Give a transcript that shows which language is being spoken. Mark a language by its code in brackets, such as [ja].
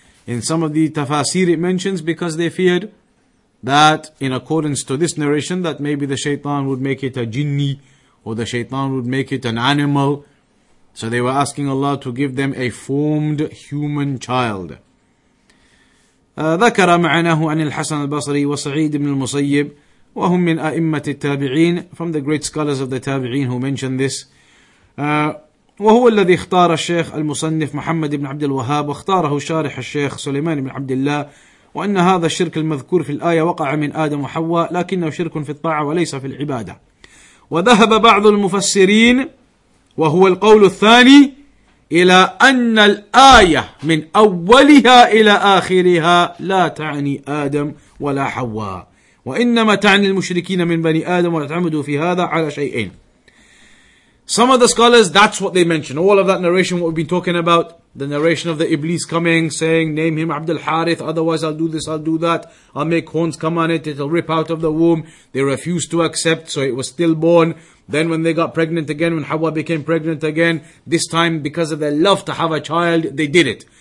[en] In some of the tafasir it mentions because they feared that in accordance to this narration that maybe the shaitan would make it a jinni or the shaitan would make it an animal. So they were asking Allah to give them a formed human child. [ar] ذكر معناه عن الحسن البصري وسعيد بن المصيب وهم من أئمة التابعين. [en] From the great scholars of the tabi'een who mentioned this. [ar] وهو الذي اختار الشيخ المصنف محمد بن عبد الوهاب واختاره شارح الشيخ سليمان بن عبد الله. وأن هذا الشرك المذكور في الآية وقع من آدم وحواء لكنه شرك في الطاعة وليس في العبادة. وذهب بعض المفسرين وهو القول الثاني إلى أن الآية من أولها إلى آخرها لا تعني آدم ولا حواء وإنما تعني المشركين من بني آدم واعتمدوا في هذا على شيئين. [en] Some of the scholars, that's what they mentioned. All of that narration, what we've been talking about, the narration of the Iblis coming, saying, name him Abdul Harith, otherwise I'll do this, I'll do that, I'll make horns come on it, it'll rip out of the womb. They refused to accept, so it was stillborn. Then when they got pregnant again, when Hawa became pregnant again, this time because of their love to have a child, they did it.